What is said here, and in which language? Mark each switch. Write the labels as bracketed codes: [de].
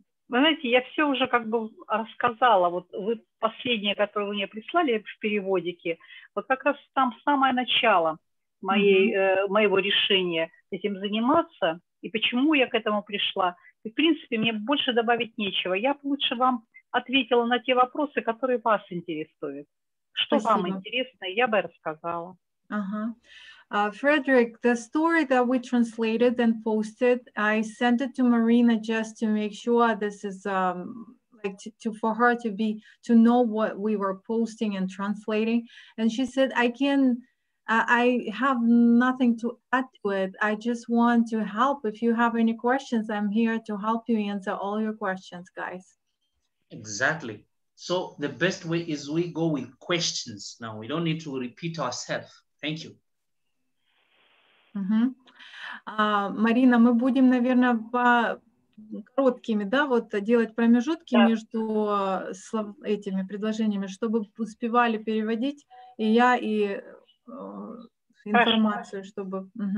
[ru] Вы знаете, я все уже как бы рассказала, вот вы последнее, которое вы мне прислали в переводике, вот как раз там самое начало моей, моего решения этим заниматься, и почему я к этому пришла. И, в принципе, мне больше добавить нечего. Я бы лучше вам ответила на те вопросы, которые вас интересуют. Что Спасибо. Вам интересно, я бы рассказала. [en] Frederick, the story that we translated and posted, I sent it to Marina just to make sure this is like for her to know what we were posting and translating. And she said, I have nothing to add to it. I just want to help. If you have any questions, I'm here to help you answer all your questions, guys. Exactly. So the best way is we go with questions now. We don't need to repeat ourselves. Thank you. [ru] Марина, мы будем, наверное, по короткими, да, вот делать промежутки между этими предложениями, чтобы успевали переводить и я, и информацию, чтобы...